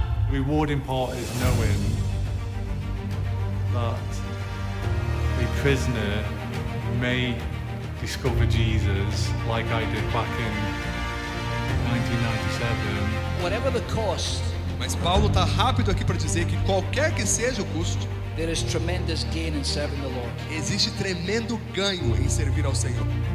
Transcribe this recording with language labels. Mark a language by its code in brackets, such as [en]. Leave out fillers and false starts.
[en] Rewarding part is knowing that the prisoner may discover Jesus like I did back in 1997. Whatever the cost, [pt] mas Paulo tá rápido aqui para dizer que qualquer que seja o custo, [en] there is tremendous gain in serving the Lord. [pt] Existe tremendo ganho em servir ao Senhor.